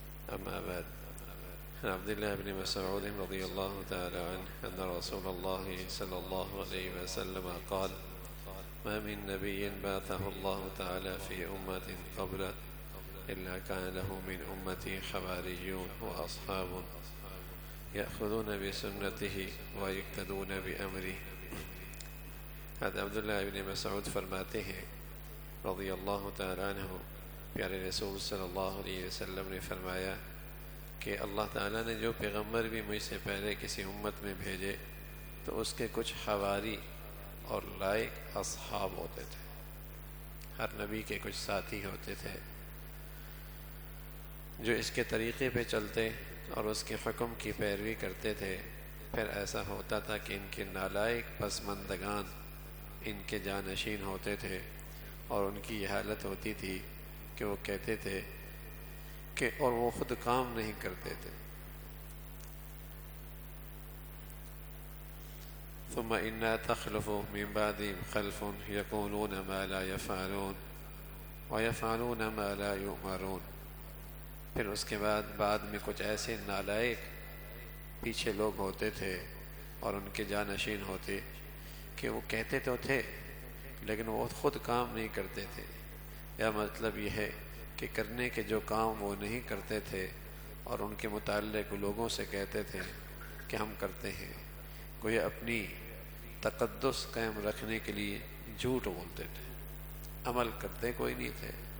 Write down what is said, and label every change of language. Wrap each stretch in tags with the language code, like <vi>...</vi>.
<ar>أما بعد، عن عبد الله بن مسعود رضي الله تعالى عنه أن رسول الله صلى الله عليه وسلم قال: ما من نبي بعثه الله تعالى في أمة قبله إلا كان له من أمتي حواريون وأصحاب يأخذون بسنته ويقتدون بأمره.</ar> <ur>حضرت عبد الله بن مسعود فرماتے ہیں رضی اللہ تعالی عنہ، پیارے رسول صلی اللہ علیہ وسلم نے فرمایا کہ اللہ تعالی نے جو پیغمبر بھی مجھ سے پہلے کسی امت میں بھیجے تو اس کے کچھ حواری اور لائق اصحاب ہوتے تھے، ہر نبی کے کچھ ساتھی ہوتے تھے جو اس کے طریقے پہ چلتے اور اس کے حکم کی پیروی کرتے تھے، پھر ایسا ہوتا تھا کہ ان کے نالائق پسمندگان ان کے جانشین ہوتے تھے اور ان کی یہ حالت ہوتی تھی کہ وہ کہتے تھے کہ اور وہ خود کام نہیں کرتے تھے.</ur> <ar>ثم انا تخلف من بعدهم خلف يقولون ما لا يفعلون ويفعلون ما لا يؤمرون.</ar> <ur>پھر اس کے بعد میں کچھ ایسے نالائق پیچھے لوگ ہوتے تھے اور ان کے جانشین ہوتے کہ وہ کہتے تو تھے لیکن وہ خود کام نہیں کرتے تھے، یا مطلب یہ ہے کہ کرنے کے جو کام وہ نہیں کرتے تھے اور ان کے متعلق لوگوں سے کہتے تھے کہ ہم کرتے ہیں، گویا اپنی تقدس قائم رکھنے کے لیے جھوٹ بولتے تھے، عمل کرتے کوئی نہیں تھے</ur>